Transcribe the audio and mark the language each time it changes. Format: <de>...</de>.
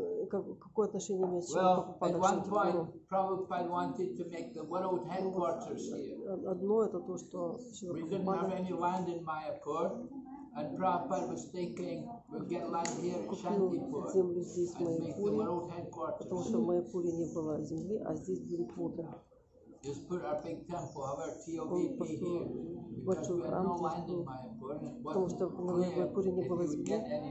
<ru>Какое отношение имеет Шрила Прабхупада к Шантипуру? Одно это то, что Шрила Прабхупада...</ru> <en>And Prabhupada was thinking, we'll get land here in Shantipur and make the world headquarters.</en> <ru>Потому что в Майяпуре не было земли, а здесь был Пуда.</ru> <en>Just put our big temple, have our TOVP here. Because we have no land in Майяпур.</en> <ru>Потому что в Майяпуре не было земли.</ru>